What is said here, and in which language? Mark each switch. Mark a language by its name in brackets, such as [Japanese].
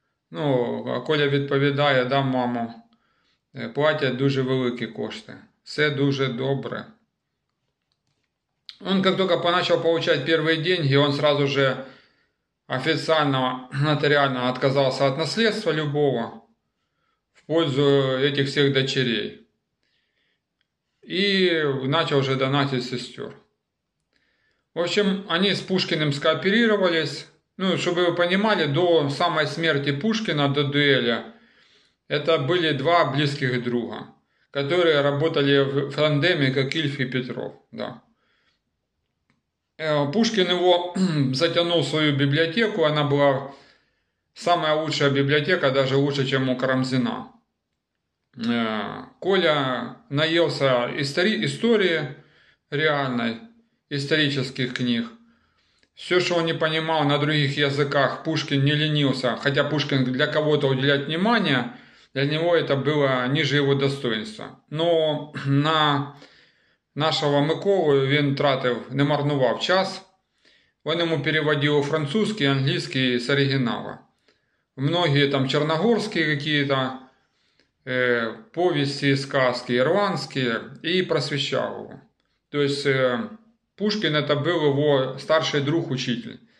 [Ukrainian] Ну, а Коля відповідає: да, мамо, платять дуже великі кошти. Все дуже добре. [Russian] Он как только начал получать первые деньги, он сразу же официально, нотариально отказался от наследства любого в пользу этих всех дочерей. И начал уже донатить сестер. В общем, они с Пушкиным скооперировались. Ну, чтобы вы понимали, до самой смерти Пушкина, до дуэли, это были два близких друга, которые работали в тандеме, как Ильф и Петров. Да. Пушкин его затянул в свою библиотеку, она была самая лучшая библиотека, даже лучше, чем у Карамзина. Коля наелся истории реальной, исторических книг. Все, что он не понимал на других языках, Пушкин не ленился, хотя Пушкин для кого-то уделять внимание, для него это было ниже его достоинства. Но на нашего Миколу [Ukrainian] він тратив, не марнував час. [Russian] Он ему переводил французский, английский с оригинала. Многие там черногорские какие-то повести, сказки, ирландские, и просвещал его. То есть Пушкин это был его старший друг-учитель.